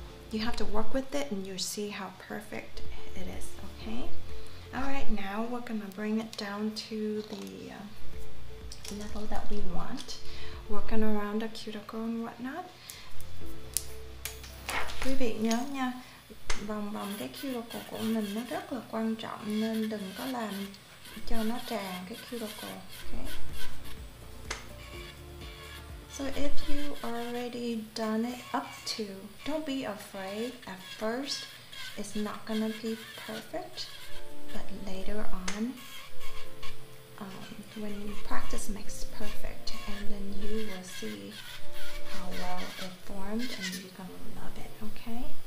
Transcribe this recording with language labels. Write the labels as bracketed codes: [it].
[en] You have to work with it and you see how perfect it is, okay? Alright, now we're gonna bring it down to the level that we want, working around the cuticle and whatnot. [vi] Quý vị nhớ nha, vòng vòng cái cuticle của mình nó rất là quan trọng, nên đừng có làm cho nó tràn cái cuticle. [en] Okay. So if you already done it up to, don't be afraid at first. It's not gonna be perfect, but later on, when you practice makes perfect, and then you will see how well it formed and you're gonna love it, okay?